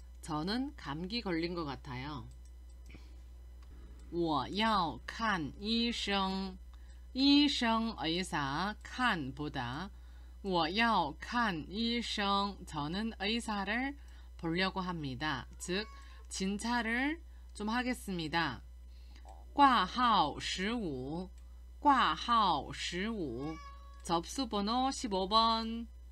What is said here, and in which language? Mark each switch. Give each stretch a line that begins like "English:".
Korean: 저는 감기 걸린 것 같아요.
Chinese: 我要看医生。医生 의사 看보다 我要看医生
Korean: 저는 의사를 보려고 합니다. 즉 진찰을 좀 하겠습니다.
Chinese: 挂号十五，挂号十五，
Korean: 접수 번호 15번。